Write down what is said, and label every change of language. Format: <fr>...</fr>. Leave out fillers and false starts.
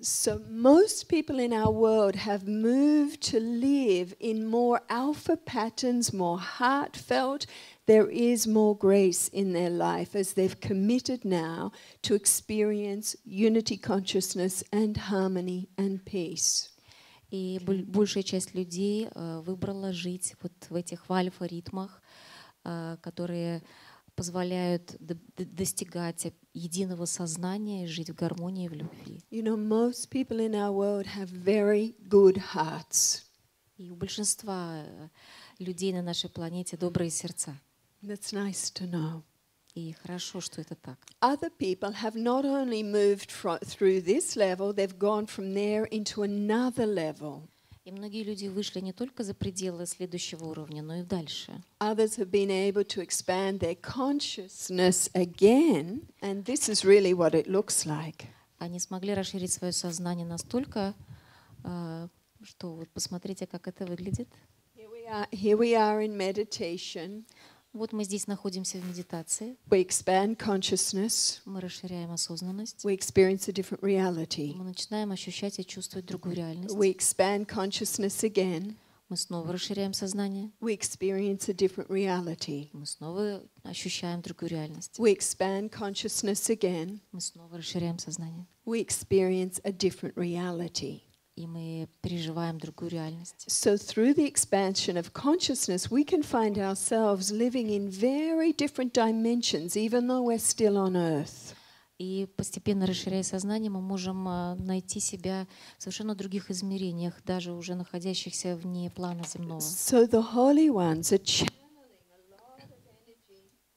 <en>So most people in our world have moved to live in more alpha patterns, more heartfelt. There is more grace in their life as they've committed now to experience unity consciousness and harmony and peace.</en> <ru>И большая часть людей выбрала жить вот в этих альфа ритмах, которые позволяют достигать единого сознания, жить в гармонии, в любви.</ru> <en>You know, most people in our world have very good hearts.</en> <ru>И у большинства людей на нашей планете добрые сердца.</ru> <en>That's nice to know.</en> <ru>И хорошо, что это так.</ru> <en>Other people have not only moved through this level, they've gone from there into another level.</en> <ru>И многие люди вышли не только за пределы следующего уровня, но и дальше.</ru> <en>Others have been able to expand their consciousness again, and this is really what it looks like.</en> <ru>Они смогли расширить свое сознание настолько, что вот посмотрите, как это выглядит.</ru> <en>Here we are in meditation.</en> <ru>Вот мы здесь находимся в медитации.</ru> <en>We expand consciousness.</en> <ru>Мы расширяем осознанность.</ru> <en>We experience a different reality.</en> <ru>Мы начинаем ощущать и чувствовать другую реальность.</ru> <en>We expand consciousness again.</en> <ru>Мы снова расширяем сознание.</ru> <en>We experience a different reality.</en> <ru>Мы снова ощущаем другую реальность.</ru> <en>We expand consciousness again.</en> <ru>Мы снова расширяем сознание.</ru> <en>We experience a different reality.</en> <ru>И мы переживаем другую реальность.</ru> <en>So through the expansion of consciousness, we can find ourselves living in very different dimensions, even though we're still on Earth.</en> <ru>И постепенно расширяя сознание, мы можем найти себя в совершенно других измерениях, даже уже находящихся вне плана земного.</ru> <en>So the holy ones are channeling a lot of energy.</en>